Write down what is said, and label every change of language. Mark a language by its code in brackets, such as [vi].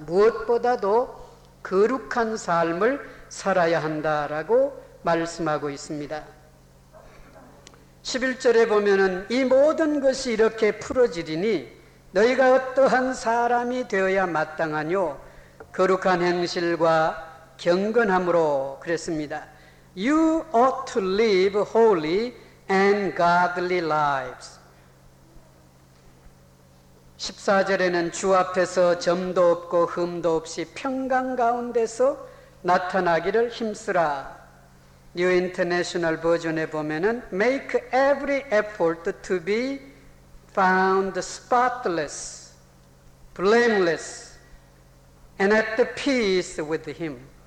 [ko] 무엇보다도 거룩한 삶을 살아야 한다라고 말씀하고 있습니다. 11절에 보면은 이 모든 것이 이렇게 풀어지리니 너희가 어떠한 사람이 되어야 마땅하뇨? 거룩한 행실과 경건함으로 그랬습니다. [en] You ought to live holy and godly lives. [ko] 14절에는 주 앞에서 점도 없고 흠도 없이 평강 가운데서 나타나기를 힘쓰라. [en] New International [ko] 버전에 보면은 [en] Make every effort to be found spotless, blameless, and at the peace with him.